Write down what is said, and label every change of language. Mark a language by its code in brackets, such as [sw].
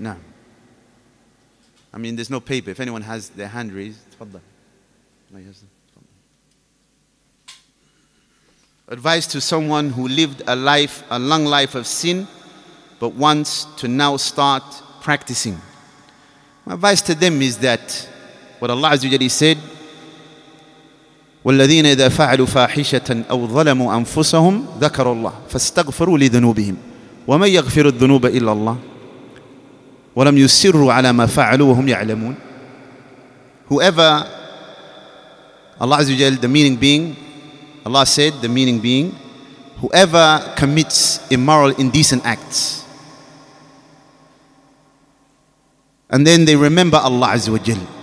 [en] Now, I mean, there's no paper. If anyone has their hand raised, tafadda. Advice to someone who lived a life, a long life of sin, but wants to now start practicing. My advice to them is that what Allah Azza wa Jalla said, [ar] وَالَّذِينَ إِذَا فَعَلُوا فَاحِشَةً أَوْ ظَلَمُوا أَنفُسَهُمْ ذَكَرُوا اللَّهِ فَاسْتَغْفَرُوا لِذُنُوبِهِمْ وَمَنْ يَغْفِرُ الذُّنُوبَ إِلَّا اللَّهِ وَلَمْ يُسِرُّوا عَلَى مَا فَعَلُوا وَهُمْ يَعْلَمُونَ. [en] Whoever, Allah Azza wa Jalla, the meaning being, Allah said, the meaning being, whoever commits immoral, indecent acts, and then they remember Allah Azza wa Jal.